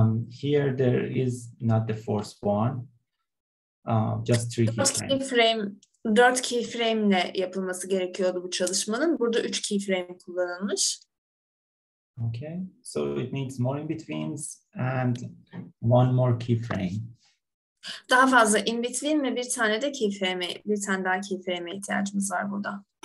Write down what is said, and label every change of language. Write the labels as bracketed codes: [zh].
[en] Here there is not the fourth one. Just three keyframes. [tr] Dört keyframe'le yapılması gerekiyordu bu çalışmanın. Burada üç keyframe kullanılmış. [en] Okay, so it needs more in-betweens and one more keyframe. [tr] Daha fazla in-between mi, bir tane de keyframe, bir tane daha keyframe ihtiyacımız var burada.